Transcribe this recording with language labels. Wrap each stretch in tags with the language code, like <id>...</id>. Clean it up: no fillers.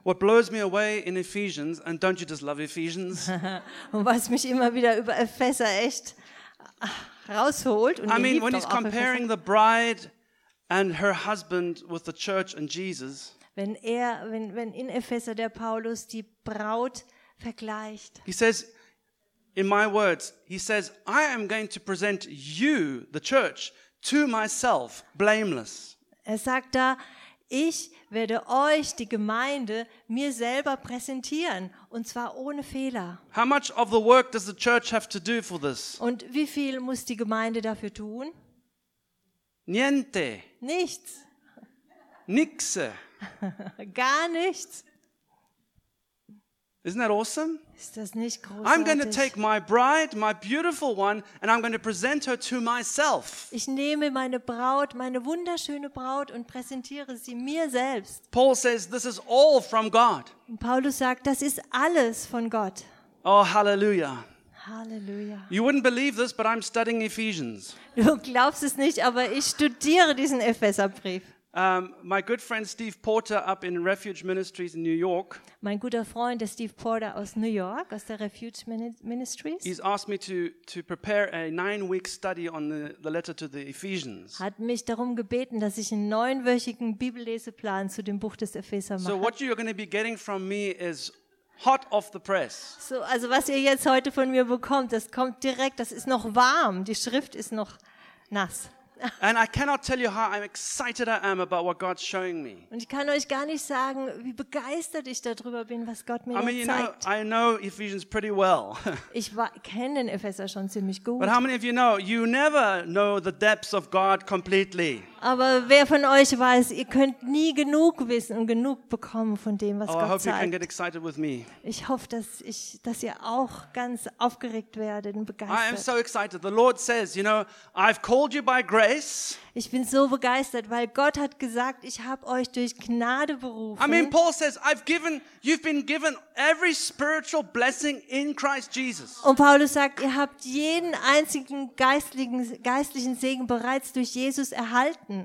<en>What blows me away in Ephesians, and don't you just love Ephesians?</en> <de>Und was mich immer wieder über Epheser echt rausholt. Und</de> <en>I mean, when he's comparing the bride and her husband with the church and Jesus.</en> <de>Wenn in Epheser der Paulus die Braut vergleicht.</de> <en>He says, in my words, he says, "I am going to present you, the church, to myself, blameless."</en> <de>Er sagt da: Ich werde euch, die Gemeinde, mir selber präsentieren, und zwar ohne Fehler.</de> <en>How much of the work does the church have to do for this?</en> <de>Und wie viel muss die Gemeinde dafür tun?</de> <it>Niente.</it> <de>Nichts. Nixe. Gar nichts.</de> <en>Isn't that awesome?</en> <de>Ist das nicht großartig?</de> <en>I'm going to take my bride, my beautiful one, and I'm going to present her to myself.</en> <de>Ich nehme meine Braut, meine wunderschöne Braut, und präsentiere sie mir selbst.</de> <en>Paul says this is all from God.</en> <de>Und Paulus sagt, das ist alles von Gott.</de> <en>Oh, hallelujah. Hallelujah. You wouldn't believe this, but I'm studying Ephesians.</en> <de>Du glaubst es nicht, aber ich studiere diesen Epheserbrief.</de> <en>My good friend Steve Porter up in Refuge Ministries in New York.</en> <de>Mein guter Freund Steve Porter aus New York, aus der Refuge Ministries.</de> <en>He's asked me to prepare a 9-week study on the letter to the Ephesians.</en> <de>Hat mich darum gebeten, dass ich einen 9-wöchigen Bibelleseplan zu dem Buch des Epheser mache.</de> <en>So what you're going to be getting from me is hot off the press.</en> <de>So, also was ihr jetzt heute von mir bekommt, das kommt direkt, das ist noch warm, die Schrift ist noch nass.</de> <en>And I cannot tell you how excited I am about what God's showing me.</en> <de>Und ich kann euch gar nicht sagen, wie begeistert ich darüber bin, was Gott mir zeigt.</de> <en>I know Ephesians pretty well.</en> <de>Ich kenne den Epheser schon ziemlich gut.</de> <en>But how many of you know, you never know the depths of God completely.</en> <de>Aber wer von euch weiß, ihr könnt nie genug wissen und genug bekommen von dem, was Gott zeigt.</de> <en>I hope you can get excited with me.</en> <de>Ich hoffe, dass ihr auch ganz aufgeregt werdet und begeistert.</de> <en>I am so excited. The Lord says, you know, I've called you by grace.</en> <de>Ich bin so begeistert, weil Gott hat gesagt, ich habe euch durch Gnade berufen.</de> <en>I mean, Paul says, you've been given every spiritual blessing in Christ Jesus.</en> <de>Und Paulus sagt, ihr habt jeden einzigen geistlichen Segen bereits durch Jesus erhalten.</de>